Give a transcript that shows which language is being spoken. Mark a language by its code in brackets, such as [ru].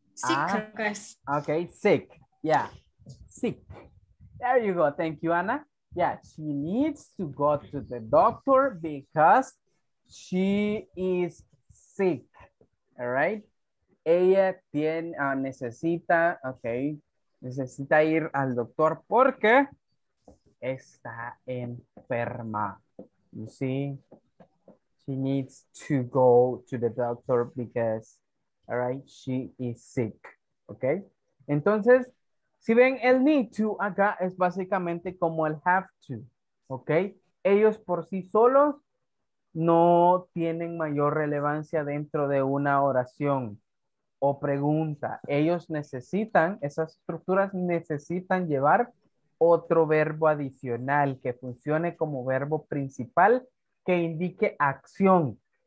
[en] Okay, sick. Yeah, sick. There you go. Thank you, Anna. Yeah, she needs to go to the doctor because she is sick. All right. [es] Ella tiene, necesita, okay, necesita ir al doctor porque está enferma. [en] You see, she needs to go to the doctor because, all right, she is sick. Okay. [es] Entonces, si ven, el need to acá es básicamente como el have to, ¿ok? Ellos por sí solos no tienen mayor relevancia dentro de una oración o pregunta. Ellos necesitan, esas estructuras necesitan llevar otro verbo adicional que funcione como verbo principal que indique acción.